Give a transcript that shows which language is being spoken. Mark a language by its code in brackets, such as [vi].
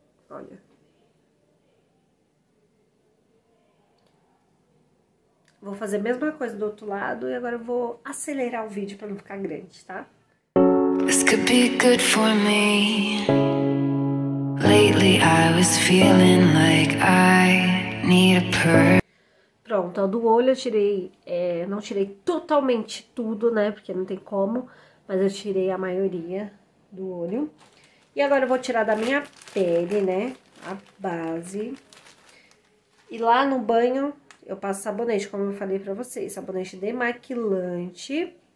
[pt] Olha. Vou fazer a mesma coisa do outro lado e agora eu vou acelerar o vídeo pra não ficar grande, tá? [en] This could be good for me. Lately I was feeling like I need a purse. [pt] Pronto, ó, do olho eu tirei, não tirei totalmente tudo, né? Porque não tem como, mas eu tirei a maioria do olho. E agora eu vou tirar da minha pele, né? A base. E lá no banho eu passo sabonete, como eu falei pra vocês, sabonete demaquilante.